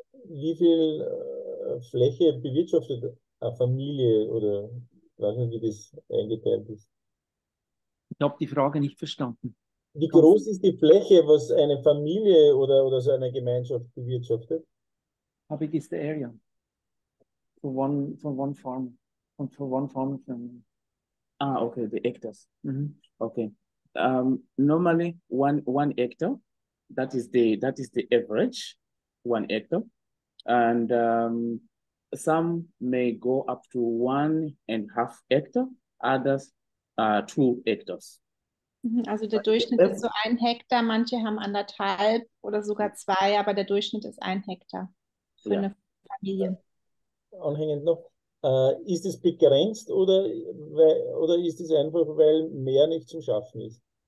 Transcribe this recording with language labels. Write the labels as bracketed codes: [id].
[de] Wie viel Fläche bewirtschaftet eine Familie oder weiß nicht, wie das eingeteilt ist? Ich habe die Frage nicht verstanden. Wie groß ist die Fläche, was eine Familie oder so eine Gemeinschaft bewirtschaftet? [en] How big is the area for one farm and for one farm family? Ah, okay, the hectares. Mm-hmm. Okay. Normally one hectare, that is the average 1 hectare, and some may go up to 1.5 hectare, others 2 hectares. [de] Also der Durchschnitt ist so 1 Hektar, manche haben 1,5 oder sogar 2, aber der Durchschnitt ist 1 Hektar für eine Familie. Anhängend noch, ist es begrenzt oder ist es einfach, weil mehr nicht zum Schaffen ist?